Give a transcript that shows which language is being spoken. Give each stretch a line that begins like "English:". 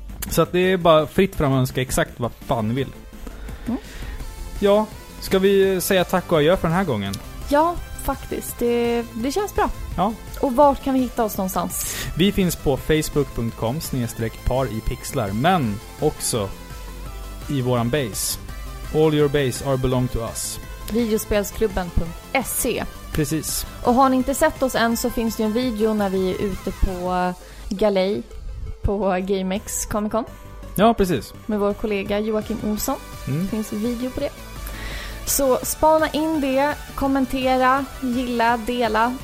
Swedish: Så att det är bara fritt fram att önska exakt vad fan ni vill. Mm. Ja, ska vi säga tack och adjö för den här gången? Ja, faktiskt. Det känns bra. Ja. Och vart kan vi hitta oss någonstans? Vi finns på facebook.com/paripixlar, men också i våran base.
English: All your base are belong to us.
Swedish: Videospelsklubben.se. Precis. Och har ni inte sett oss än, så finns det en video när vi är ute på Galej på GameX Comic Con. Ja, precis. Med vår kollega Joakim Olsson. Mm. Det finns en video på det. Så spana in det, kommentera, gilla, dela.